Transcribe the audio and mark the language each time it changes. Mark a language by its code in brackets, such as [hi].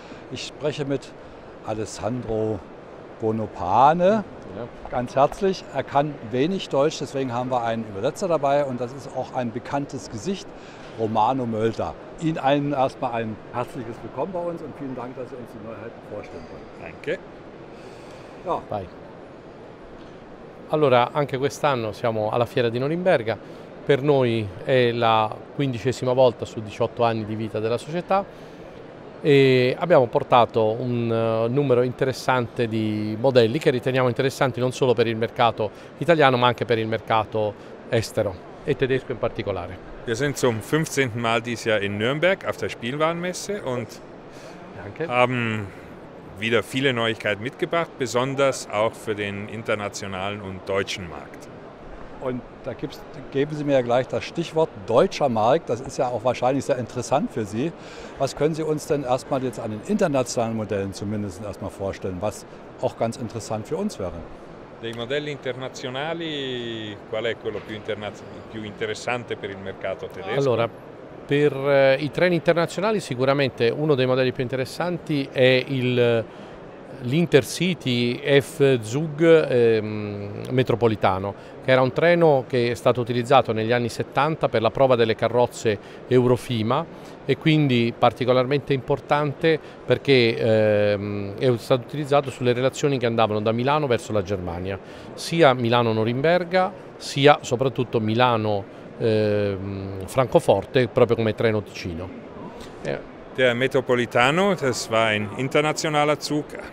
[de] Ich spreche mit Alessandro Bonopane. Ja. Ganz herzlich. Er kann wenig Deutsch, deswegen haben wir einen Übersetzer dabei. Und das ist auch ein bekanntes Gesicht, Romano Mölter. Ihnen allen erstmal ein herzliches Willkommen bei uns und vielen Dank, dass Sie uns die Neuheiten vorstellen wollen. Danke. Ja. Bye. [it] Allora, anche quest'anno siamo alla Fiera di Norimberga. Per noi è la 15ª volta su 18 anni di vita della società e abbiamo portato un numero interessante di modelli che riteniamo interessanti non solo per il mercato italiano, ma anche per il mercato estero e tedesco in particolare. [de] Wir sind zum 15. Mal dieses Jahr in Nürnberg auf der Spielwarenmesse und Danke. Haben wieder viele Neuigkeiten mitgebracht, besonders auch für den internationalen und deutschen Markt. Und da geben Sie mir ja gleich das Stichwort deutscher Markt. Das ist ja auch wahrscheinlich sehr interessant für Sie. Was können Sie uns denn erstmal jetzt an den internationalen Modellen zumindest erstmal vorstellen, was auch ganz interessant für uns wäre? [it] Dei modelli internazionali, qual è quello più interessante per il mercato tedesco? Allora, per i treni internazionali sicuramente uno dei modelli più interessanti è l'Intercity F-Zug metropolitano, che era un treno che è stato utilizzato negli anni 70 per la prova delle carrozze Eurofima e quindi particolarmente importante perché è stato utilizzato sulle relazioni che andavano da Milano verso la Germania, sia Milano-Norimberga sia soprattutto Milano-Francoforte, proprio come treno Ticino. [de] Der Metropolitano, das war ein internationaler Zug.